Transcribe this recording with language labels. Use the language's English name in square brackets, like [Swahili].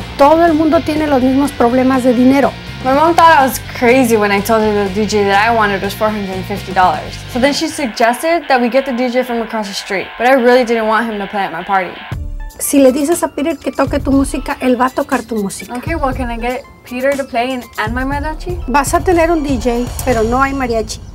[Spanish] Todo el mundo tiene los mismos problemas de dinero. [English] My mom thought I was crazy when I told her the DJ that I wanted was $450. So then she suggested that we get the DJ from across the street, but I really didn't want him to play at my party. [Spanish] Si le dices a Peter que toque tu música, él va a tocar tu música. [English] Okay, well, can I get Peter to play and my mariachi? [Spanish] Vas a tener un DJ, pero no hay mariachi.